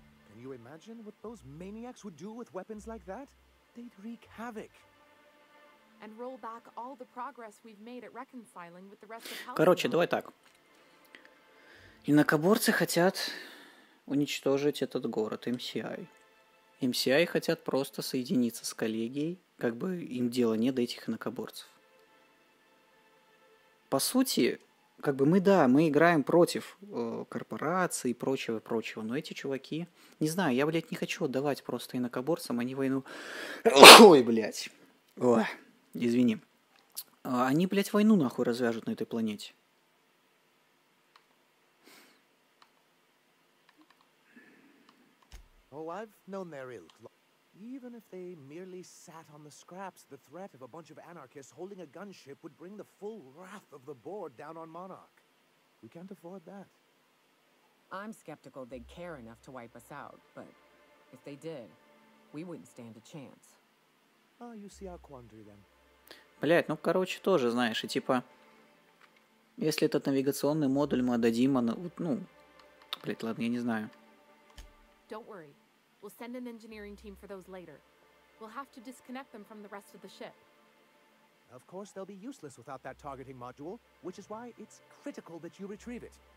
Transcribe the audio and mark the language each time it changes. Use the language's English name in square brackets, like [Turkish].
[English] Can you imagine what those maniacs would do with weapons like that? They'd wreak havoc. And roll back all the progress we've made at reconciling with the rest of Halcyon. [Russian] Короче, давай так. Инакоборцы хотят уничтожить этот город, MCI. MCI хотят просто соединиться с коллегией, как бы им дело не до этих инакоборцев. По сути, как бы мы играем против корпорации и прочего, но эти чуваки... Не знаю, я, блядь, не хочу отдавать просто инакоборцам, они войну... Ой, блядь. Ой, извини. Они, блядь, войну нахуй развяжут на этой планете. [English] Oh, I've known their ilk. Even if they merely sat on the scraps, the threat of a bunch of anarchists holding a gunship would bring the full wrath of the board down on Monarch. We can't afford that. I'm skeptical they'd care enough to wipe us out, but if they did, we wouldn't stand a chance. Oh, you see our quandary then. [Russian] Блять, ну короче, тоже, знаешь, и типа, если этот навигационный модуль мы отдадим, блять, ладно, я не знаю. [English] Don't worry. We'll send an engineering team for those later. We'll have to disconnect them from the rest of the ship. Of course, they'll be useless without that targeting module, which is why it's critical that you retrieve it.